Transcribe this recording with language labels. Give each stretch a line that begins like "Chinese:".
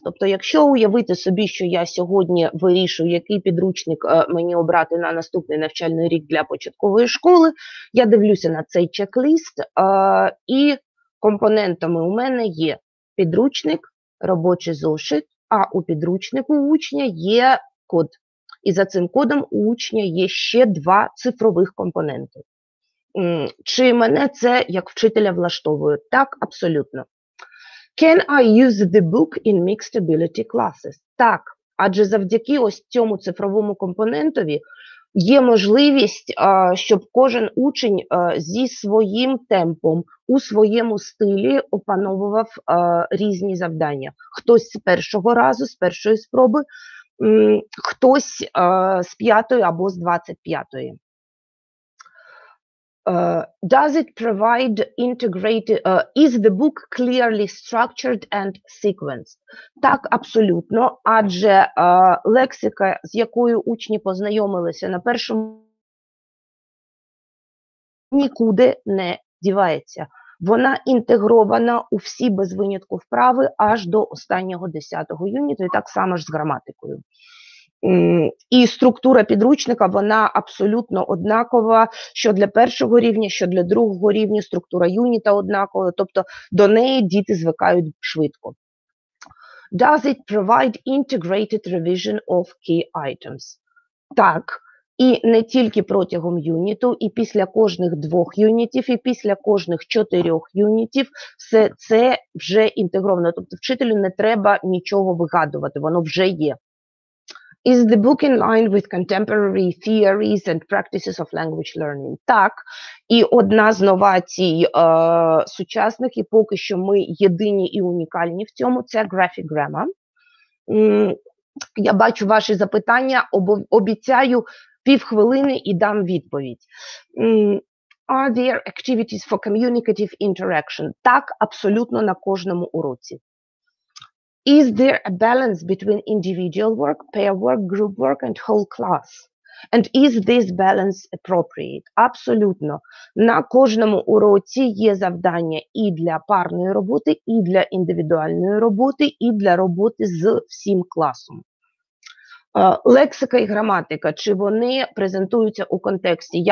Ukrainian: Тобто, якщо уявити собі, що я сьогодні вирішую, який підручник мені обрати на наступний навчальний рік для початкової школи, я дивлюся на цей чек-ліст, і компонентами у мене є підручник, робочий зошит, а у підручнику учня є код. І за цим кодом у учня є ще два цифрових компоненти. Чи мене це як вчителя влаштовує? Так, абсолютно.
English: Can I use the book in mixed ability classes?
Ukrainian: Так, адже завдяки ось цьому цифровому компонентові є можливість, щоб кожен учень зі своїм темпом, у своєму стилі опановував різні завдання. Хтось з першого разу, з першої спроби, хтось з п'ятої або з 25-ї.
English: Does it provide integrated, is the book clearly structured and sequenced?
Ukrainian: Так, абсолютно, адже лексика, з якою учні познайомилися на першому, нікуди не дівається. Вона інтегрована у всі без винятку вправи аж до останнього 10-го юніту, і так само ж з граматикою. І структура підручника, вона абсолютно однакова, що для першого рівня, що для другого рівня, структура юніта однакова, тобто до неї діти звикають швидко.
English: Does it provide integrated revision of key items?
Ukrainian: Так, і не тільки протягом юніту, і після кожних двох юнітів, і після кожних чотирьох юнітів, все це вже інтегровано, тобто вчителю не треба нічого вигадувати, воно вже є.
English: Is the book in line with contemporary theories and practices of language learning?
Ukrainian: Так, і одна з новацій сучасних, і поки що ми єдині і унікальні в цьому, це graphic grammar. Я бачу ваші запитання, обіцяю півхвилини і дам відповідь.
English: Are there activities for communicative interaction?
Ukrainian: Так, абсолютно на кожному уроці.
English: Is there a balance between individual work, pair work, group work and whole class? And is this balance appropriate?
Ukrainian: Абсолютно. На кожному уроці є завдання і для парної роботи, і для індивідуальної роботи, і для роботи з всім класом. Лексика і граматика, чи вони презентуються у контексті?